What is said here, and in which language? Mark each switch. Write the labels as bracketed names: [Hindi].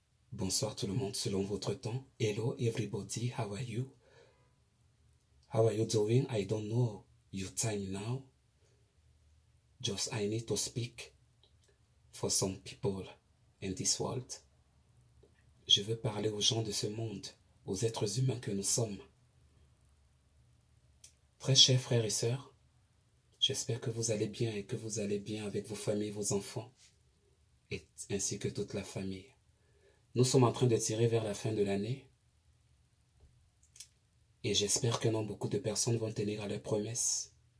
[French] Bonsoir tout le monde selon votre temps. [English] Hello everybody, how are you? How are you doing? I don't know your time now. Just I need to speak for some people in this world. [French] Je veux parler aux gens de ce monde, aux êtres humains que nous sommes. Très chers frères et sœurs, j'espère que vous allez bien et que vous allez bien avec vos familles, vos enfants. Ainsi que toute la famille. Nous sommes en train de tirer vers la fin de l'année et j'espère que non, beaucoup de personnes vont tenir à leurs promesses.